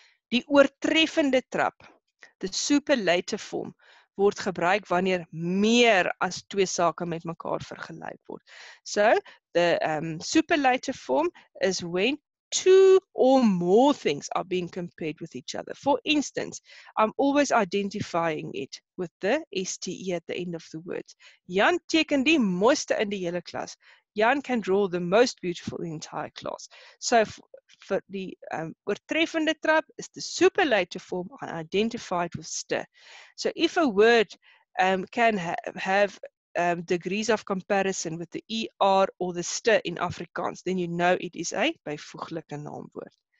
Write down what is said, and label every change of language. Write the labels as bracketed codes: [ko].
[af] Die oortreffende trap, the superlative form, word gebruik wanneer meer as twee sake met mekaar vergelyk word. [en] So, the superlative form is when two or more things are being compared with each other. For instance, I'm always identifying it with the ste at the end of the word. [af] Jan teken die mooiste in die hele klas. [en] Jan can draw the most beautiful in the entire class. So, for the oortreffende trap is the superlative form identified with ste. So, if a word can have degrees of comparison with the ER or the ste in Afrikaans, then you know it is a byvoeglike naamwoord.